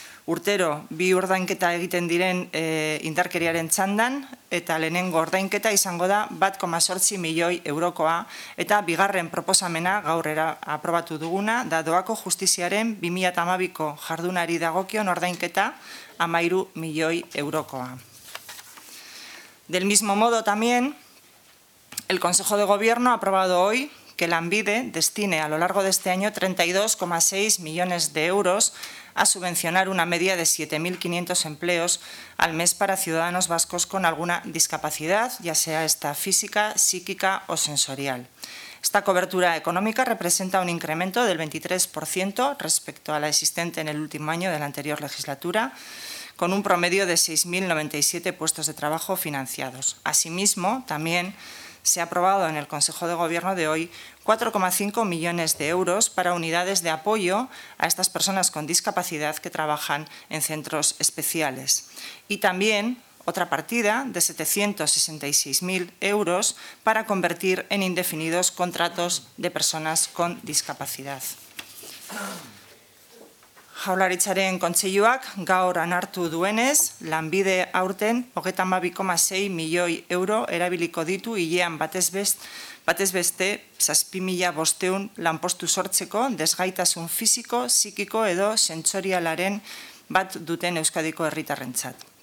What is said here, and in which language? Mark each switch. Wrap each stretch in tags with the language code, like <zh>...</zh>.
<eu>urtero bi ordainketa egiten diren indarkeriaren txandan, eta lehenengo ordainketa izango da 1,8 milioi eurokoa, eta bigarren proposamena gaurrera aprobatu duguna, da doako justiziaren 2012ko jardunari dagokion ordainketa 13 milioi eurokoa.</eu> <es>Del mismo modo también, el Consejo de Gobierno ha aprobado hoy que Lanbide destine a lo largo de este año 32,6 millones de euros a subvencionar una media de 7.500 empleos al mes para ciudadanos vascos con alguna discapacidad, ya sea esta física, psíquica o sensorial. Esta cobertura económica representa un incremento del 23% respecto a la existente en el último año de la anterior legislatura, con un promedio de 6.097 puestos de trabajo financiados. Asimismo, también se ha aprobado en el Consejo de Gobierno de hoy 4,5 millones de euros para unidades de apoyo a estas personas con discapacidad que trabajan en centros especiales. Y también otra partida de 766.000 euros para convertir en indefinidos contratos de personas con discapacidad.</es> <eu>Jaurlaritzaren kontseiluak gaur onartu duenez, Lanbide aurten 32,6 milioi euro erabiliko ditu hilean batez beste 7.500 lanpostu sortzeko desgaitasun fisiko, psikiko edo sentsorialaren bat duten Euskadiko herritarrentzat.</eu>